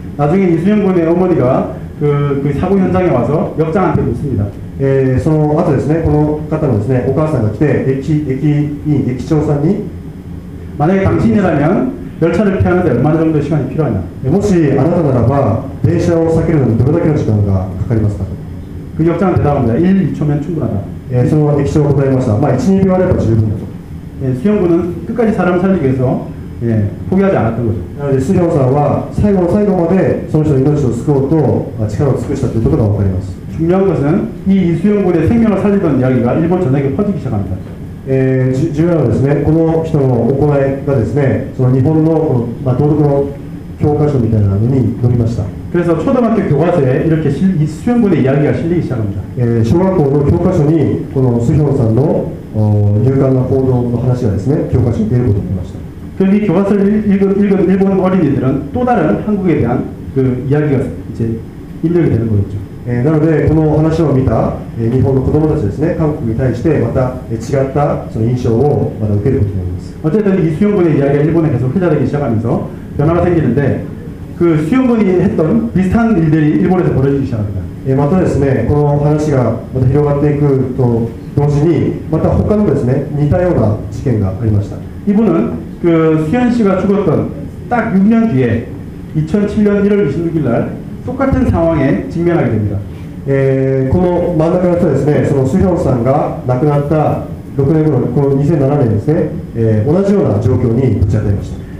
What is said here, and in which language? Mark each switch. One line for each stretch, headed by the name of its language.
Korean: 나중에이수영군의어머니가그그사고현장에와서역장한테묻습니다
Japanese: その後ですねこの方のですねお母さんが来て駅長さんに
Korean: 만약에당신이라면열차를피하는데얼마정도시간이필요하냐
Japanese: もしあなたならば電車を避けるのにどれだけの時間がかかりますかと
Korean: 그역장한테답합니다1 2초면충분하다
Japanese: その駅長答えました 1,2 秒あれば十分だと
Korean: 수영군은끝까지사람을살리기위해서예포기하지않았던거죠
Japanese: なので수영사와最後の最後までその人の命を救おうと力を尽くしたということが分かります
Korean: 중요한것은이이수영군의생명을살리던이야기가일본전역에퍼지기시작합니다 중요한것은
Japanese: この人の行いがですねその日本 の, この、まあ、道徳の教科書みたいなのに載りました
Korean: 그래서초등학교교과서에이렇게이수영군의이야기가실리기시작합니다
Japanese: 小学校の教科書にこの수영さんの勇敢な行動の話がですね教科書に出ることになりましたそれ
Korean: 교과서를읽은일본어린이들은또다른한국에대한그이야기가이제입력이되는거겠죠
Japanese: なのでこの話を見た日本の子供たちですね韓国に対してまた違ったその印象をまた受けることになります
Korean: 어쨌든이수영군의이야기가일본에계속회자되기시작하면서변화가생기는데그수영군이했던비슷한일들이일본에서벌어지기시작합니다
Japanese: またですね、この話がまた広がっていくと同時に、また他のですね、似たような事件がありました。
Korean: 이분은그수현씨가죽었던딱6년뒤에2007년1월26일날똑같은상황에직면하게됩니다
Japanese: この真ん中の人ですね、そのスヒョンさんが亡くなった6年後のこの2007年ですね、同じような状況にぶち当たりました。